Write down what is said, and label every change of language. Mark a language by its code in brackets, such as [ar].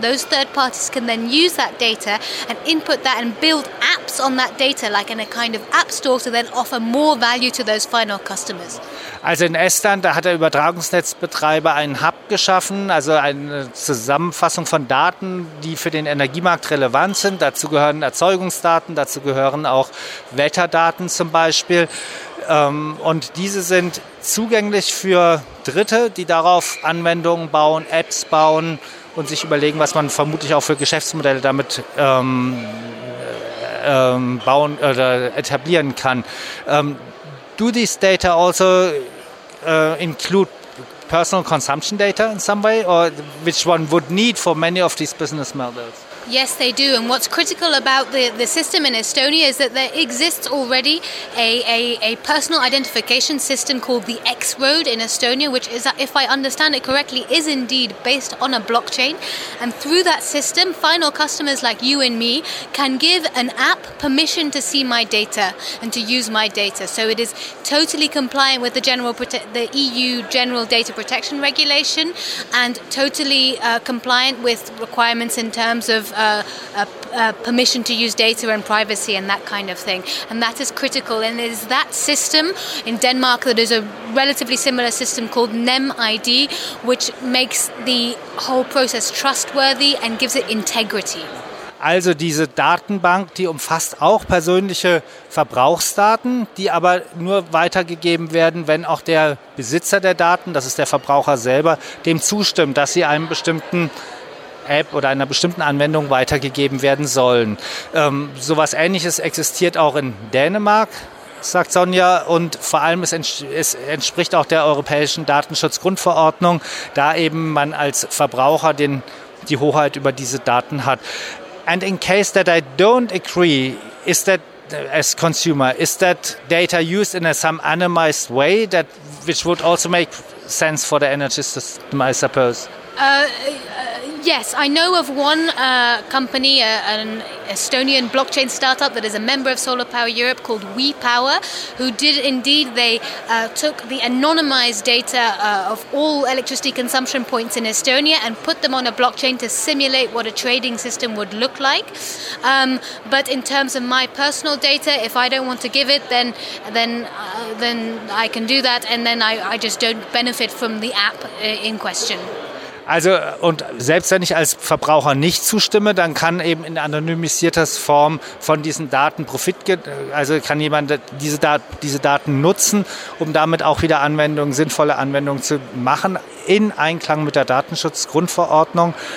[en] Those third parties can then use that data and input that and build apps on that data, like in a kind of app store, to then offer more value to those final customers. [de] Also in Estland, da hat der Übertragungsnetzbetreiber einen Hub geschaffen, also eine Zusammenfassung von Daten, die für den Energiemarkt relevant sind. Dazu gehören Erzeugungsdaten, dazu gehören auch Wetterdaten zum Beispiel. Und diese sind zugänglich für Dritte, die darauf Anwendungen bauen, Apps bauen und sich überlegen, was man vermutlich auch für Geschäftsmodelle damit bauen oder etablieren kann. [en] Do these data also include personal consumption data in some way, or which one would need for many of these business models? Yes, they do. And what's critical about the system in Estonia is that there exists already a personal identification system called the X-Road in Estonia, which is, if I understand it correctly, is indeed based on a blockchain. And through that system, final customers like you and me can give an app permission to see my data and to use my data. So it is totally compliant with the EU General Data Protection Regulation and totally compliant with requirements in terms of permission to use data and privacy and that kind of thing. And that is critical. And it is that system in Denmark that is a relatively similar system called NemID, which makes the whole process trustworthy and gives it integrity. [de] Also diese Datenbank, die umfasst auch persönliche Verbrauchsdaten, die aber nur weitergegeben werden, wenn auch der Besitzer der Daten, das ist der Verbraucher selber, dem zustimmt, dass sie einem bestimmten App oder einer bestimmten Anwendung weitergegeben werden sollen. Sowas Ähnliches existiert auch in Dänemark, sagt Sonja, und vor allem es entspricht auch der Europäischen Datenschutzgrundverordnung, da eben man als Verbraucher die Hoheit über diese Daten hat. [en] And in case that I don't agree, is that, as consumer, is that data used in some anonymized way, that which would also make sense for the energy system, I suppose? Yes, I know of one company, an Estonian blockchain startup that is a member of Solar Power Europe called WePower, who did indeed, they took the anonymized data of all electricity consumption points in Estonia and put them on a blockchain to simulate what a trading system would look like. But in terms of my personal data, if I don't want to give it, then I can do that, and then I just don't benefit from the app in question. [de] Also, und selbst wenn ich als Verbraucher nicht zustimme, dann kann eben in anonymisierter Form von diesen Daten kann jemand diese Daten nutzen, um damit auch wieder sinnvolle Anwendungen zu machen, in Einklang mit der Datenschutzgrundverordnung.